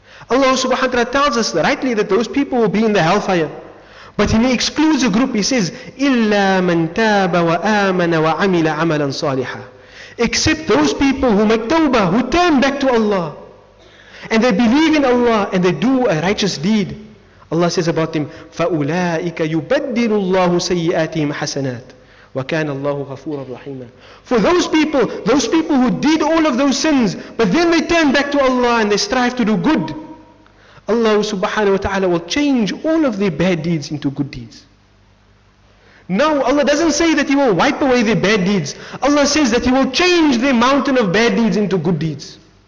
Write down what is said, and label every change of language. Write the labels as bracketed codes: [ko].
[en] Allah subhanahu wa ta'ala tells us rightly that those people will be in the hellfire. But he excludes a group. He says, [ar] إِلَّا مَن تَابَ وَآمَنَ وَعَمِلَ عَمَلًا صَالِحًا. [en] Except those people who make tawbah, who turn back to Allah. And they believe in Allah and they do a righteous deed. Allah says about them, [ar] فَأُولَٰئِكَ يُبَدِّلُ اللَّهُ سَيِّئَاتِهِمْ حَسَنَاتٍ وَكَانَ اللَّهُ غَفُورًا رَحِيمًا. [en] For those people who did all of those sins, but then they turn back to Allah and they strive to do good, Allah subhanahu wa ta'ala will change all of their bad deeds into good deeds. Now Allah doesn't say that He will wipe away their bad deeds. Allah says that He will change the mountain of bad deeds into good deeds.